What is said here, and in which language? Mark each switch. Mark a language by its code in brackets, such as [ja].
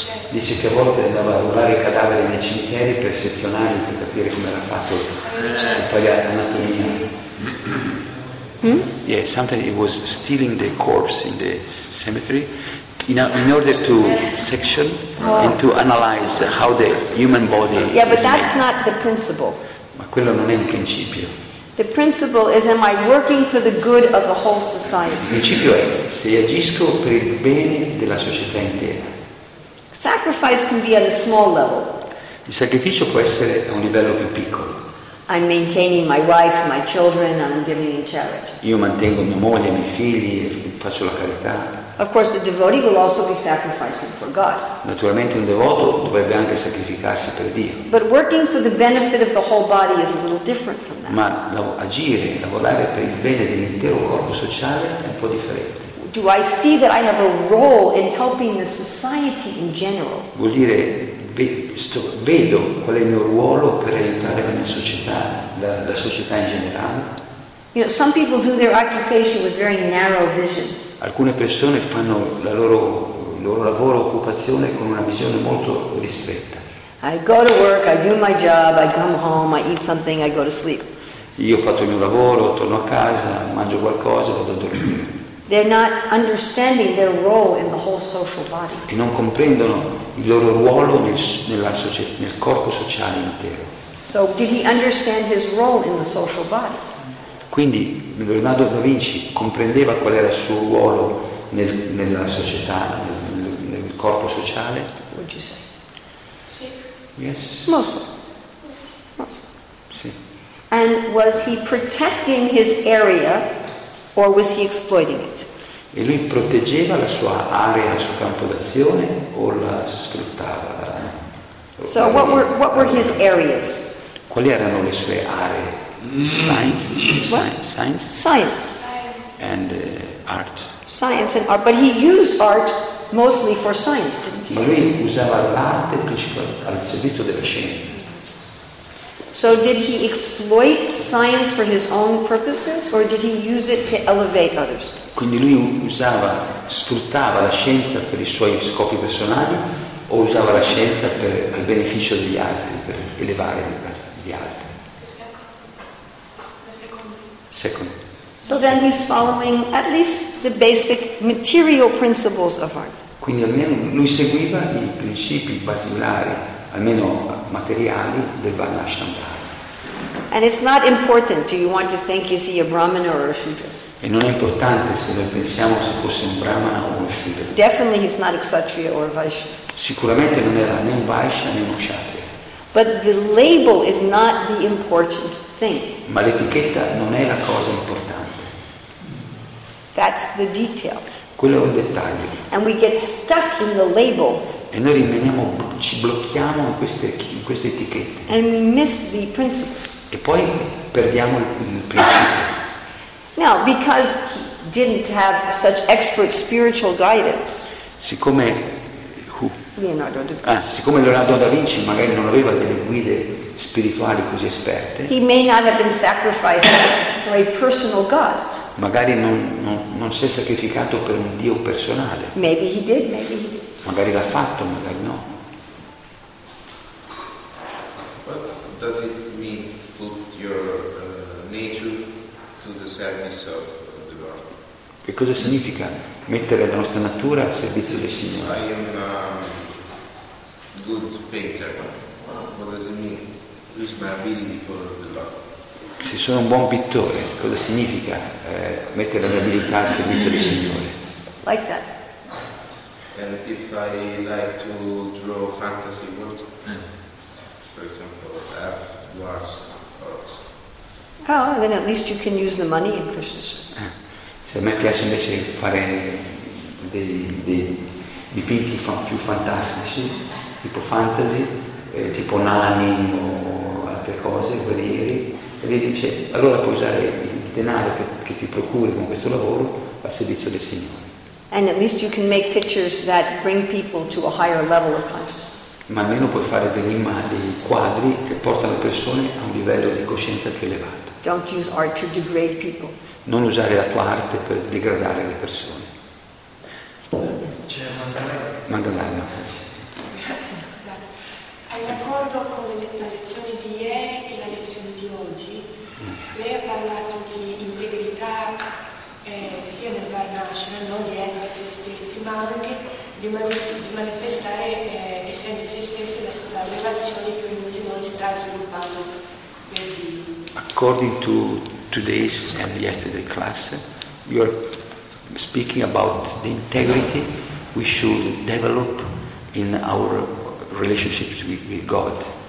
[it] Dice che a volte andava a rubare i cadaveri nei cimiteri per sezionarli, per capire come era fatto il pagliato anatomia. [en] Yeah, sometimes he was stealing the corpse in the cemetery in order to section and to analyze how the human body is. Yeah, but that's made. Not the principle. [it] Ma quello non è un principio. [en] The principle is, am I working for the good of the whole society? [it] Il principio è, se agisco per il bene della società intera. [en] Sacrifice can be at a small level. [it] Il sacrificio può essere a un livello più piccolo. [en] I'm maintaining my wife, my children, I'm giving in charity. [it] Io mantengo mia moglie, i miei figli, faccio la carità. [en] Of course, the devotee will also be sacrificing for God. [it] Naturalmente un devoto dovrebbe anche sacrificarsi per Dio. [en] But working for the benefit of the whole body is a little different from that. [it] Ma agire, lavorare per il bene dell'intero corpo sociale è un po' differente. [en] Do I see that I have a role in helping the society in general? [it] Vuol dire, vedo qual è il mio ruolo per aiutare la mia società, la società in generale. [en] You know, some people do their occupation with very narrow vision. [it] Alcune persone fanno il loro lavoro, occupazione, con una visione molto ristretta. [en] I go to work, I do my job, I come home, I eat something, I go to sleep. [it] Io ho fatto il mio lavoro, torno a casa, mangio qualcosa, vado a dormire. [en] They're not understanding their role in the whole social body. [it] E non comprendono il loro ruolo nel corpo sociale intero. [en] So did he understand his role in the social body? [it] Quindi Leonardo da Vinci comprendeva qual era il suo ruolo nella società, nel corpo sociale? [en] Would you say? [it] Sì. [en] Yes. Mostly. [it] Sì. [en] And was he protecting his area? Or was he exploiting it? [it] E lui proteggeva la sua area, il suo campo d'azione, o la sfruttava? [en] So what were his areas? [it] Quali erano le sue aree? [en] Science. And art. Science and art, but he used art mostly for science, didn't he? [it] Ma lui usava l'arte principalmente al servizio della scienza. [en] So did he exploit science for his own purposes, or did he use it to elevate others? [it] Quindi lui usava, sfruttava la scienza per i suoi scopi personali, o usava la scienza per il beneficio degli altri, per elevare gli altri? Secondo. [en] So then he's following at least the basic material principles of art. [it] Quindi almeno lui seguiva i principi basilari, almeno materiali, del Vaishnava. [en] And it's not important, do you want to think, is he a Brahmana or a Shudra? [it] E non è importante se noi pensiamo se fosse un Brahmana o uno Shudra. [en] Definitely he's not a Kshatriya or a Vaishya. [it] Sicuramente non era né un Vaishya né uno Kshatriya. [en] But the label is not the important thing. [it] Ma l'etichetta non è la cosa importante. [en] That's the detail. [it] Quello è un dettaglio. [en] And we get stuck in the label. [it] E noi rimaniamo, ci blocchiamo in queste etichette. [en] And we miss the principles. [it] E poi perdiamo il principio. [en] Now, because he didn't have such expert spiritual guidance. [it] Siccome [en] who? Leonardo da Vinci. [it] Siccome Leonardo da Vinci magari non aveva delle guide spirituali così esperte. [en] He may not have been sacrificed for a personal god. [it] Magari non si è sacrificato per un dio personale. [en] Maybe he did, maybe he did. [it] Magari l'ha fatto, magari no. [en] What does it mean put your nature to the service of the Lord? [it] Che cosa significa mettere la nostra natura al servizio del Signore? [en] I am a good painter. What does it mean? Use my ability for the Lord. [it] Se sono un buon pittore, cosa significa mettere la mia abilità al servizio del Signore? [en] Like that. And if I like to draw fantasy world, for example, elf, dwarfs, orcs. Oh, then at least you can use the money in Krishna's. [it] Se a me piace invece fare dei dipinti più fantastici, tipo fantasy, tipo nani o altre cose, guerrieri, e lei dice, allora puoi usare il denaro che ti procuri con questo lavoro al servizio del Signore. [en] And at least you can make pictures that bring people to a higher level of consciousness. [it] Ma almeno puoi fare dei quadri che portano persone a un livello di coscienza più elevato. [en] Don't use art to degrade people. [it] Non usare la tua arte per degradare le persone. C'è Mandalaya. Mandalaya. Grazie, scusate. Hai d'accordo con la lezione di ieri e la lezione di oggi? Lei ha parlato di integrità. Sia nel Varnashana, non di essere se stessi, ma anche di manifestare, essendo se stessi, la relazione che ognuno di noi sta sviluppando per Dio. [en] According to today's and yesterday's class, you are speaking about the integrity we should develop in our relationships with God.